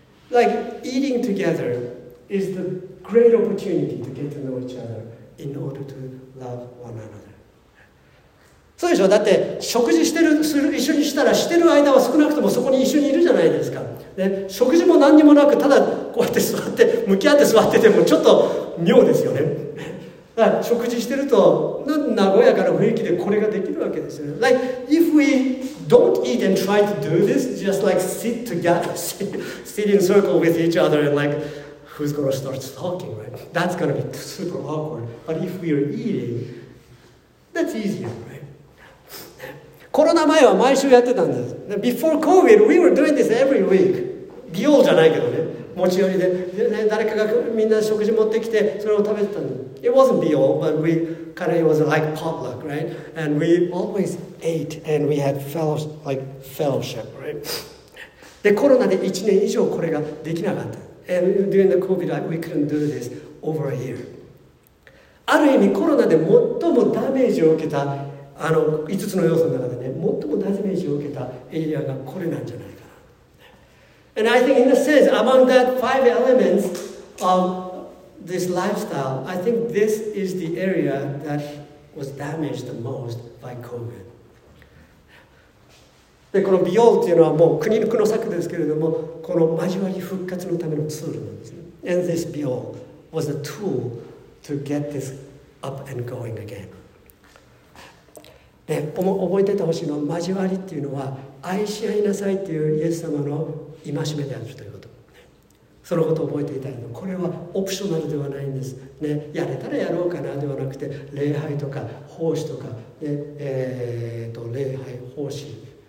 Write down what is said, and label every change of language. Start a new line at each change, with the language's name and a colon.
English: Like eating together is the great opportunity to get to know each other in order to love one another.
Japanese: そうでしょ。だって食事してる、する、一緒にしたらしてる間は少なくともそこに一緒にいるじゃないですか。で、食事も何にもなくただこうやって座って向き合って座っててもちょっと妙ですよね。だから食事してると和やかな雰囲気でこれができるわけですよね。
English: Like if we don't eat and try to do this, just like sit together, sit in circle with each other and like who's gonna start talking, right? That's gonna be super awkward. But if we are eating, that's easier.
Japanese: コロナ前は毎週やってたんです。
English: Before COVID, we were doing this every week.
Japanese: 美容じゃないけどね。持ち寄り で、ね、誰かがみんな食事持ってきてそれを食べてたの。
English: It wasn't the all, but we kind of, it was like potluck, right? And we always ate and we had fellowship, like fellowship, right?
Japanese: で、コロナで1年以上これができなかった。
English: And during the COVID, we couldn't do this over a year.
Japanese: ある意味コロナで最もダメージを受けた、あの5つの要素の中でね、最もダメージを受けたエリアがこれなんじゃないかな。
English: And I think in a sense, among that five elements of this lifestyle, I think this is the area that was damaged the most by COVID.
Japanese: でこの美容というのはもう国の策ですけれども、この交わり復活のためのツールなんですね。
English: And this 美容 was a tool to get this up and going again.
Japanese: で覚えていてほしいのは、交わりというのは愛し合いなさいというイエス様の戒めであるということ。そのことを覚えていたいの。これはオプショナルではないんです。ね、やれたらやろうかなではなくて、礼拝とか奉仕とか、ね、礼拝奉仕。